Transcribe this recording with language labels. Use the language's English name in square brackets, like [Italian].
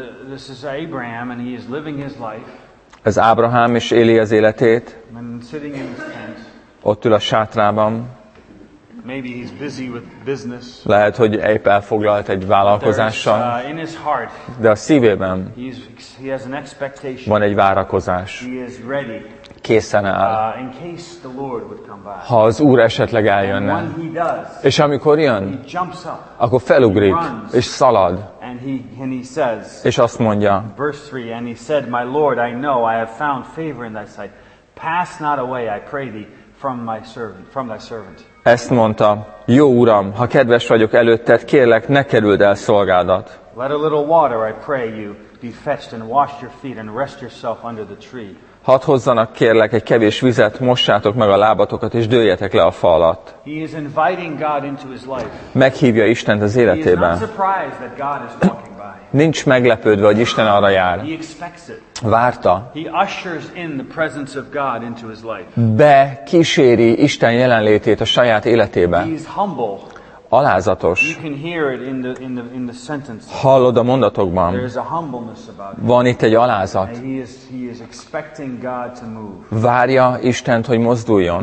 [English] This is Abraham, and he is living his life. [Hungarian] Ez Ábrahám, és éli az életét. [English] And sitting in his tent. [Hungarian] Ott ül a sátrában. [English] Maybe he's busy with business. [Hungarian] Lehet, hogy épp elfoglalt egy vállalkozással. [English] In his heart, [Hungarian] de a szívében [English] he has an expectation. [Hungarian] Van egy várakozás. [English] He is ready. [Hungarian] Készen áll. [English] In case the Lord would come by. [Hungarian] Ha az Úr esetleg eljönne. [English] And when he does, [Hungarian] és amikor jön, [English] he jumps up, [Hungarian] akkor felugrik, [English] he runs, [Hungarian] és szalad. [English] And he says, [Hungarian] és azt mondja. [English] Verse 3, and he said, my Lord, I know I have found favor in thy sight. Pass not away, I pray thee, from thy servant. [Hungarian] Ezt mondta, jó Uram, ha kedves vagyok előtted, kérlek, ne kerüld el szolgádat. [English] Let a little water, I pray you, be fetched and wash your feet and rest yourself under the tree. [Hungarian] Hadd hozzanak, kérlek, egy kevés vizet, mossátok meg a lábatokat, és dőljetek le a fa alatt. [English] He is inviting God into his life. [Hungarian] Meghívja Istent az életében. [English] He is not surprised that God is walking by. [Hungarian] Nincs meglepődve, hogy Isten arra jár. [English] He expects it. [Hungarian] Várta. [English] He ushers in the presence of God into his life. [Hungarian] Bekíséri Isten jelenlétét a saját életébe. [English] He is humble. [Hungarian] Alázatos. [English] You can hear it in the sentence. [Hungarian] Hallod a mondatokban. [English] There is a humbleness about it. [Hungarian] Van itt egy alázat. [English] He is expecting God to move. [Hungarian] Várja Istent, hogy mozduljon.